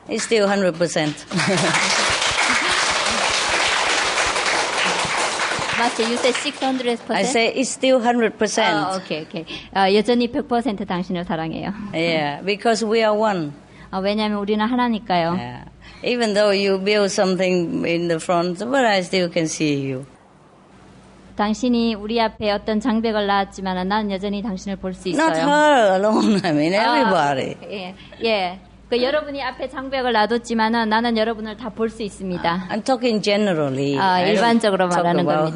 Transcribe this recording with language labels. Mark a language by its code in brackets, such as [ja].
[en] It's still 100%. Master, you said 600%? I say it's still 100%. Okay. [ko] 여전히 100% 당신을 사랑해요. [en] Yeah, because we are one. [ko] 왜냐하면 우리는 하나니까요. [en] Yeah. Even though you build something in the front, but I still can see you. [ko] 당신이 우리 앞에 어떤 장벽을 놨지만 나는 여전히 당신을 볼 수 있어요. [en] Not her alone, I mean everybody. [ko] 그 여러분이 앞에 장벽을 놔뒀지만 나는 여러분을 다 볼 수 있습니다. [en] I'm talking generally. [ko] 일반적으로 말하는 겁니다.